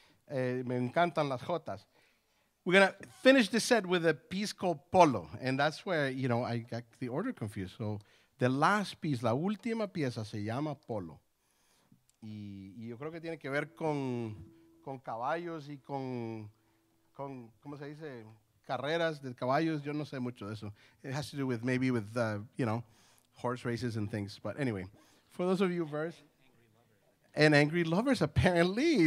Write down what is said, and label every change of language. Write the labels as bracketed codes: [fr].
[es] Me encantan las jotas. [en] We're gonna finish this set with a piece called Polo, and that's where, you know, I got the order confused. So the last piece, [es] la última pieza, se llama Polo. Y yo creo que tiene que ver con caballos y con ¿cómo se dice? Carreras de caballos. Yo no sé mucho de eso. [en] It has to do with maybe with you know, horse races and things. But anyway, for those of you versed, and angry lovers apparently.